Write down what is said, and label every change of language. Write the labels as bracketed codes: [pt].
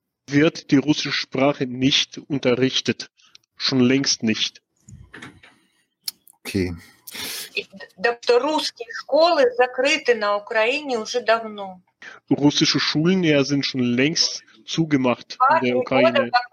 [de] Wird die russische Sprache nicht unterrichtet. Schon längst nicht. Okay. [ru] Русские школы закрыты на Украине уже давно. [de] Russische Schulen ja, sind schon längst zugemacht in der Ukraine.